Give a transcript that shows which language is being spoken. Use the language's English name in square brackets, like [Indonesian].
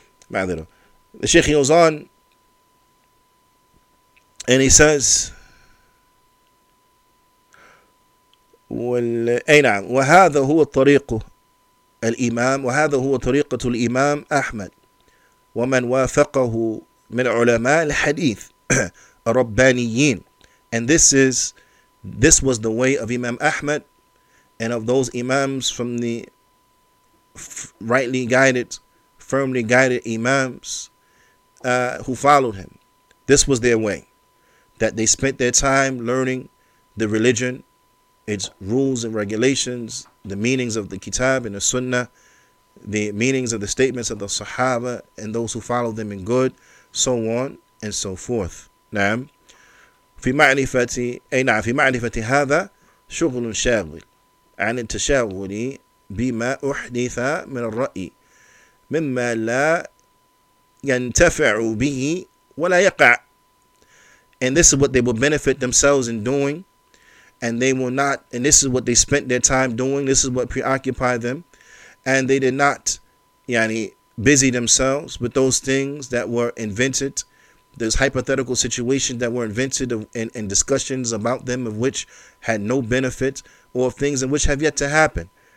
[English] The Sheikh goes on and he says, [Arabic] وهذا هو طريق الإمام وهذا هو طريقة الإمام أحمد ومن وافقه من علماء الحديث الربانيين. [English] And this was the way of Imam Ahmad and of those Imams from the rightly guided, firmly guided Imams who followed him. This was their way, that they spent their time learning the religion, its rules and regulations, the meanings of the Kitab and the Sunnah, the meanings of the statements of the Sahaba and those who follow them in good, so on and so forth. Naam. [Arabic] في معرفة هذا شغل شاغل عن التشاغل بما أحدث من الرأي مما لا ينتفع به ولا يقع. [English] And this is what they will benefit themselves in doing. And they will not, and this is what they spent their time doing, this is what preoccupied them. And they did not yani busy themselves with those things that were invented, those hypothetical situations that were invented and discussions about them of which had no benefit, or things in which have yet to happen.